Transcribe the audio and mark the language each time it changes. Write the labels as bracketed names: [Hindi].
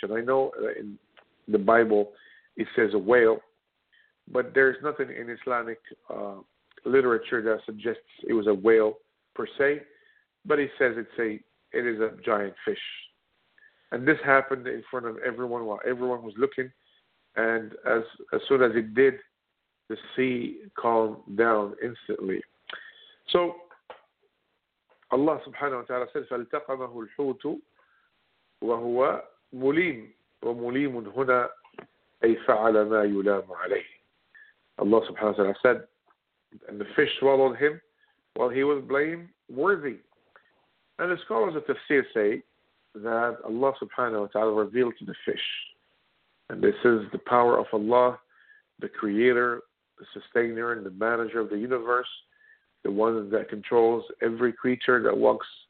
[English] And I know in the Bible it says a whale, but there is nothing in Islamic literature that suggests it was a whale per se, but it says it is a giant fish. And this happened in front of everyone while everyone was looking. And as soon as it did, the sea calmed down instantly. So Allah subhanahu wa ta'ala said, [Arabic] فَالْتَقَمَهُ الْحُوتُ وَهُوَ مُلِيمٌ وَمُلِيمٌ هُنَا أَيْ فَعَلَ مَا يُلَامُ عَلَيْهِ. [English] Allah subhanahu wa ta'ala said, and the fish swallowed him while he was blameworthy. And the scholars of tafsir say that Allah subhanahu wa ta'ala revealed to the fish, and this is the power of Allah, the creator, the sustainer, and the manager of the universe, the one that controls every creature that walks